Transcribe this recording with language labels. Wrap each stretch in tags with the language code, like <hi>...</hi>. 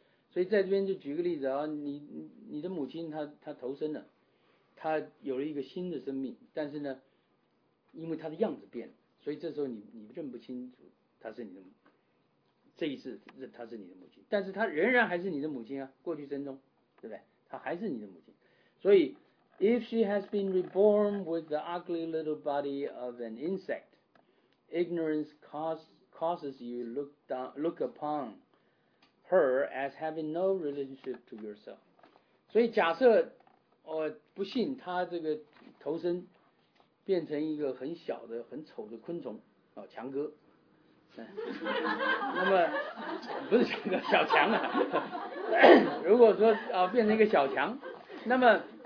<zh>所以在这边就举个例子啊，你的母亲她投生了，她有了一个新的生命，但是呢，因为她的样子变了，所以这时候你认不清楚。他是你的母亲，这一次他是你的母亲，但是他仍然还是你的母亲啊，过去生中，对不对？他还是你的母亲。所以</zh> <en>if she has been reborn with the ugly little body of an insect, ignorance causes you look upon her as having no relationship to yourself.</en> <zh>所以假设不幸他这个投身变成一个很小的很丑的昆虫强哥那么不是小强啊如果说变成一个小强，那么</zh>